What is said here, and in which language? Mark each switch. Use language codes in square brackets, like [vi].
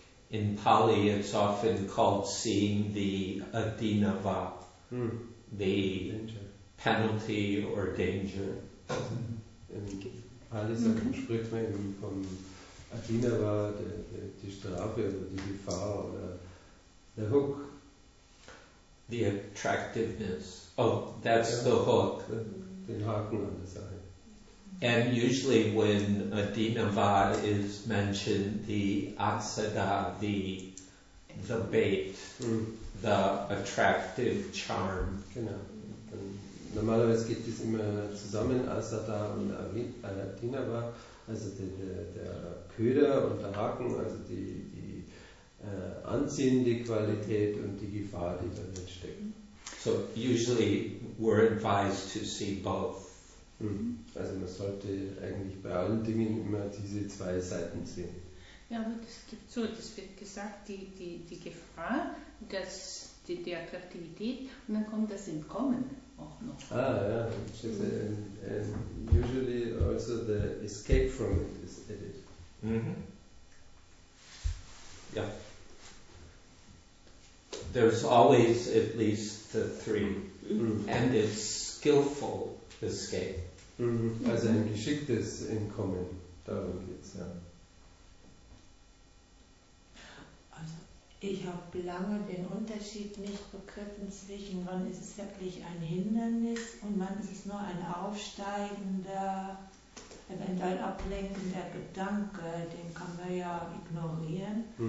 [en] In Pali, it's often called seeing the adinava, the danger. Penalty or danger. [de] In Pali, spricht man eben vom Adina war die Strafe oder die Gefahr oder der Hook. [en] the attractiveness. Oh, that's the hook. [de] Den Haken an der Sache. [en] And usually when Adinava is mentioned, the Asada, the bait, the attractive charm. [de] Genau. Dann, normalerweise geht das immer zusammen, Asada und Adinava, also der Köder und der Haken, also die anziehende Qualität und die Gefahr, die da drin steckt. [en] So usually we're advised to see both. [de] Also man sollte eigentlich bei allen Dingen immer diese zwei Seiten sehen. Ja, aber das gibt so, das wird gesagt, die Gefahr, die Attraktivität, und dann kommt das Entkommen auch noch. [en] Ah ja, and usually also the escape from it is added. Mm-hmm. [de] Ja. [en] There's always at least the three, and it's skillful escape. [de] Also ein geschicktes Entkommen, darum geht es, ja. Also ich habe lange den Unterschied nicht begriffen zwischen wann ist es wirklich ein Hindernis und wann ist es nur ein aufsteigender, eventuell ablenkender Gedanke, den kann man ja ignorieren.